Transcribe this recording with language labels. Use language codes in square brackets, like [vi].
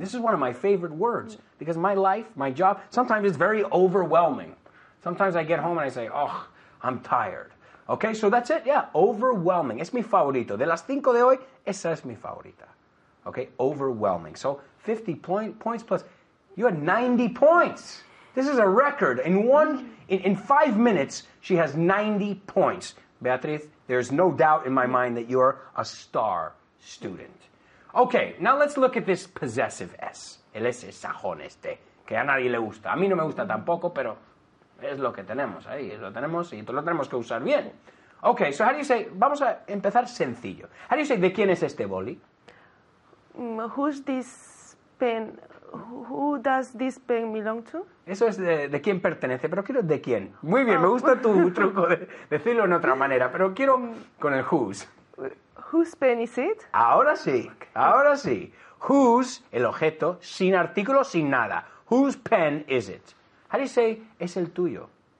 [en] This is one of my favorite words because my life, my job, sometimes it's very overwhelming. Sometimes I get home and I say, oh, I'm tired. Okay, so that's it, yeah. Overwhelming. [es] Es mi favorito. De las cinco de hoy, esa es mi favorita. [en] Okay, overwhelming. So, 50 points plus. You had 90 points. This is a record. In 5 minutes, she has 90 points. Beatriz, there's no doubt in my mind that you're a star student. Okay, now let's look at this possessive S. [es] El S es sajón este. Que a nadie le gusta. A mí no me gusta tampoco, pero es lo que tenemos ahí, lo tenemos y lo tenemos que usar bien. [en] Okay, so how do you say, [es] vamos a empezar sencillo. [en] How do you say, [es] ¿de quién es este boli? [en] Who's this pen, who does this pen belong to? [es] Eso es de quién pertenece, pero quiero de quién. Muy bien, me gusta tu truco de decirlo en otra manera, pero quiero con el whose. [en] Whose pen is it? [es] Ahora sí, ahora sí. Whose, el objeto, sin artículo, sin nada. [en] Whose pen is it? How do you say, [es] es el tuyo?